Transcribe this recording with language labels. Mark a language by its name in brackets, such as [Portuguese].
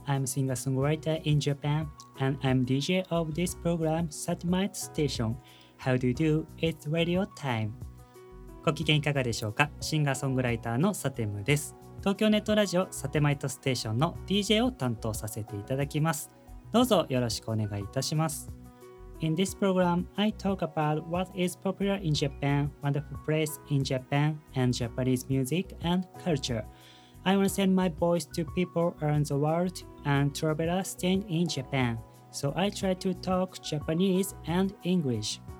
[English] I'm singer-songwriter in Japan, and I'm DJ of this program, Satemite Station. How do you do? It's radio time. [Japanese] ご機嫌いかがでしょうか。シンガーソングライターのサテムです。東京ネットラジオサテマイトステーションの DJ を担当させていただきます。どうぞよろしくお願いいたします。 [English] In this program, I talk about what is popular in Japan, wonderful place in Japan, and Japanese music and culture. I want to send my voice to people around the world and travelers staying in Japan. So I try to talk Japanese and English.